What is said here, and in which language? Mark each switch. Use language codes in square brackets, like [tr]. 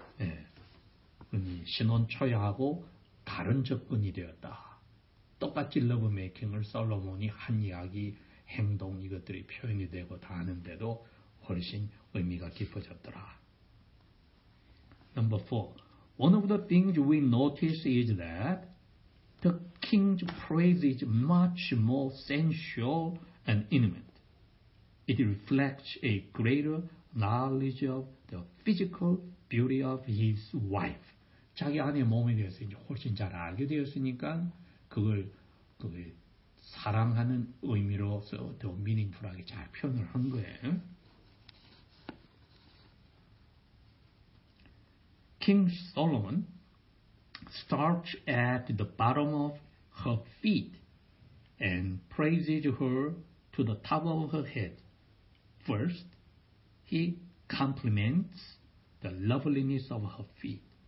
[ko] 네. 신혼 초야하고 다른 접근이 되었다. 똑같이 러브메이킹을 솔로몬이 한 이야기, 행동 이것들이 표현이 되고 다 하는데도 훨씬 의미가 깊어졌더라. [en] Number four. One of the things we notice is that the king's praise is much more sensual and intimate. It reflects a greater knowledge of the physical beauty of his wife. [ko] 자기 아내의 몸에 대해서 이제 훨씬 잘 알게 되었으니까 그걸 사랑하는 의미로서 더 meaningful하게 잘 표현을 한 거예요. [en] King Solomon starts at the bottom of her feet and praises her to the top of her head. First, he compliments the loveliness of her feet.